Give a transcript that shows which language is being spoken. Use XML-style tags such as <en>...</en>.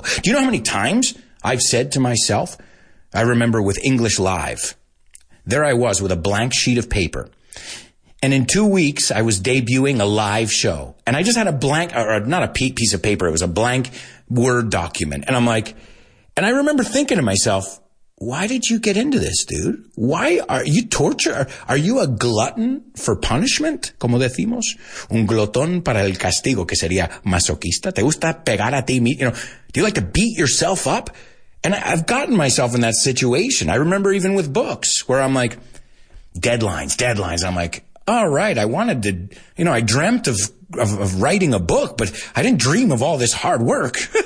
<en>Do you know how many times I've said to myself, I remember with English Live, there I was with a blank sheet of paper. And in 2 weeks, I was debuting a live show. And I just had a blank, or not a piece of paper, it was a blank Word document. And I'm like, and I remember thinking to myself, why did you get into this, dude? Why are you torture? Are you a glutton for punishment?</en> <es>Como decimos, un glotón para el castigo, que sería masoquista. ¿Te gusta pegar a ti mismo?</es> <en>You know, do you like to beat yourself up? And I've gotten myself in that situation. I remember even with books where I'm like, deadlines, deadlines. I'm like, all right, I wanted to, you know, I dreamt of writing a book, but I didn't dream of all this hard work.</en>